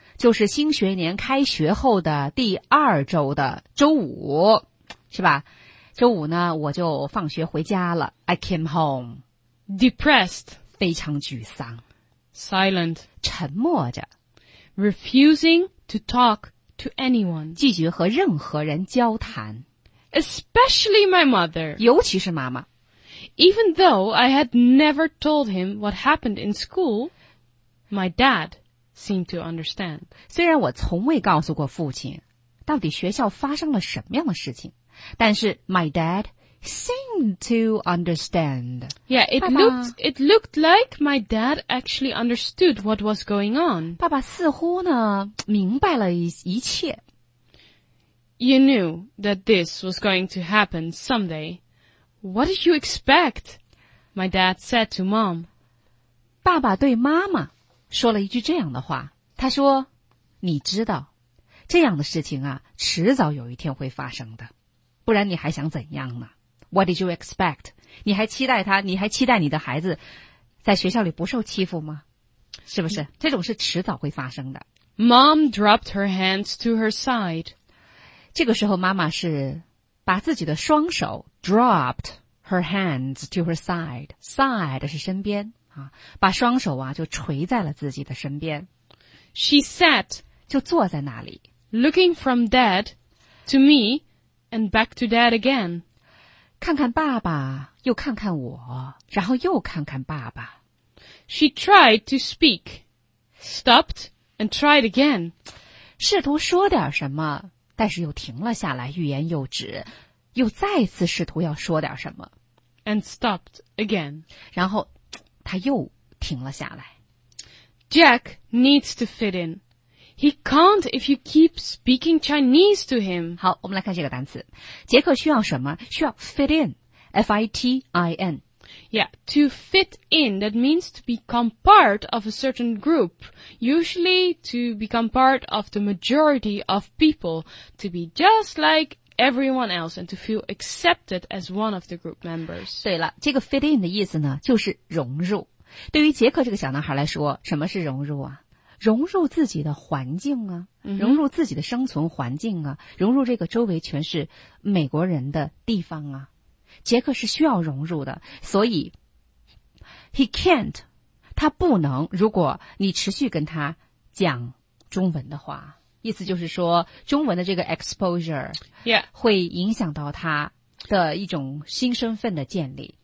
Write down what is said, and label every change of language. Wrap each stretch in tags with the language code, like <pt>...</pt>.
<zh>就是新学年开学后的第二周的周五，是吧？周五呢，我就放学回家了。</zh> <en>I came home. Depressed.</en> <zh>非常沮丧。</zh> <en>Silent.</en> <zh>沉默着。</zh> <en>Refusing to talk to anyone.</en> <zh>拒绝和任何人交谈。</zh> <en>Especially my mother.</en> <zh>尤其是妈妈。</zh> <en>Even though I had never told him what happened in school, my dad... seem to understand.</en> <zh>虽然我从未告诉过父亲到底学校发生了什么样的事情，但是</zh> <en>my dad seemed to understand. Yeah, it looked like my dad actually understood what was going on.</en> <zh>爸爸似乎呢明白了 一切。</zh> <en>You knew that this was going to happen someday. What did you expect? My dad said to mom.</en> <zh>爸爸对妈妈说了一句这样的话，他说，你知道，这样的事情啊，迟早有一天会发生的，不然你还想怎样呢？</zh> <en>What did you expect?</en> <zh>你还期待他，你还期待你的孩子在学校里不受欺负吗？是不是？这种是迟早会发生的。</zh> <en>Mom dropped her hands to her side.</en> <zh>这个时候妈妈是把自己的双手</zh> <en>dropped her hands to her side.</en> <zh>Side 是身边。把双手啊就垂在了自己的身边。</zh> <en>She sat,</en> <zh>就坐在那里。</zh> <en>Looking from dad to me and back to dad again.</en> <zh>看看爸爸又看看我然后又看看爸爸。</zh> <en>She tried to speak, stopped and tried again.</en> <zh>试图说点什么但是又停了下来欲言又止又再次试图要说点什么。</zh> <en>And stopped again.</en> <zh>然后他又停了下来。</zh> <en>Jack needs to fit in. He can't if you keep speaking Chinese to him.</en> <zh>好，我们来看这个单词。杰克需要什么？需要 fit in.</zh> <en>F-I-T-I-N. Yeah, to fit in, that means to become part of a certain group. Usually to become part of the majority of people. To be just like everyone else and to feel accepted as one of the group members.</en> <zh>对了，这个 fit in 的意思呢，就是融入。对于杰克这个小男孩来说，什么是融入啊？融入自己的环境啊，融入自己的生存环境啊，融入这个周围全是美国人的地方啊。杰克是需要融入的，所以</zh> <en>he can't,</en> <zh>他不能，如果你持续跟他讲中文的话，意思就是说中文的这个 exposure 会影响到他的一种新身份的建立。</zh>